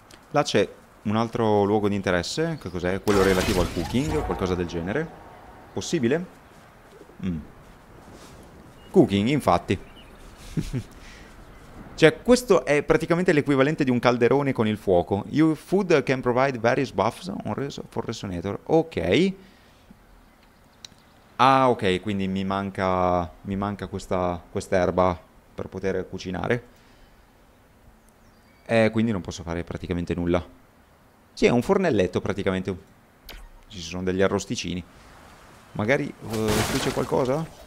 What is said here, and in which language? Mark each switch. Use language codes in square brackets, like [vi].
[it] Là c'è un altro luogo di interesse, che cos'è? Quello relativo al cooking o qualcosa del genere. Possibile? Cooking, infatti. Cioè, questo è praticamente l'equivalente di un calderone con il fuoco. [en] Your food can provide various buffs for resonator. Ok. [it] Ah, ok, quindi mi manca questa erba per poter cucinare. Quindi non posso fare praticamente nulla. Sì, è un fornelletto praticamente. Ci sono degli arrosticini. Magari qui c'è qualcosa?